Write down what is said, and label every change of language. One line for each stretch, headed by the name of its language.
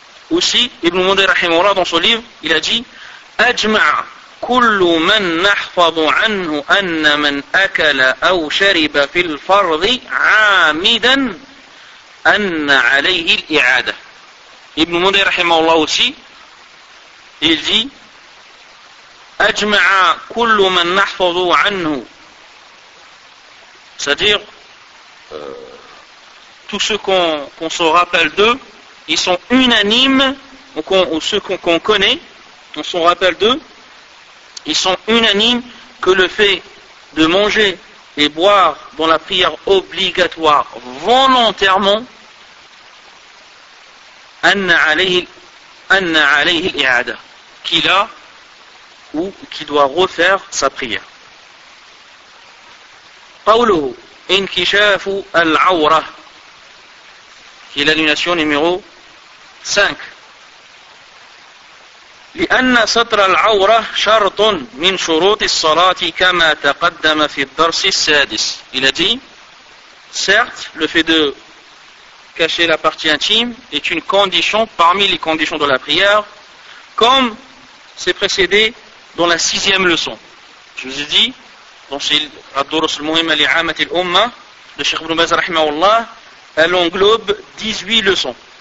French: Aussi, Ibn Mundhir rahimahullah, dans son livre, il a dit,
Arabic: أَجْمَعَ كُلُّ مَنْ نَحْفَظُ عَنْهُ أَنَّ مَنْ أَكَلَ أَوْ شَرِبَ فِي الْفَرْضِ عَامِدًا أَنَّ عَلَيْهِ الْإِعَادَةِ.
French: Ibn Mundhir rahimahullah aussi, il dit,
Arabic: أَجْمَعَ كُلُّ مَنْ نَحْفَظُ عَنْهُ.
French: C'est-à-dire, tous ceux qu'on se rappelle d'eux, ils sont unanimes, ou ceux qu'on connaît, on se rappelle d'eux, ils sont unanimes que le fait de manger et boire dans la prière obligatoire volontairement,
Arabic: أَنَّ عَلَيْهِ الْإِعَادَةِ,
French: qu'il a ou qu'il doit refaire sa prière.
Arabic: قوله انكشاف العورة,
French: qui est l'annulation numéro 5.
Arabic: لأن ستر العورة شرط من شروط الصلاة كما تقدم في الدرس السادس.
French: Il a dit, certes, le fait de cacher la partie intime est une condition parmi les conditions de la prière, comme c'est précédé dans la sixième leçon. Je vous ai dit, dans ce Ad-Durus al-Muhim al-I'amat al-Umma, le Cheikh Ibn Baz rahimahullah, elle englobe 18 leçons.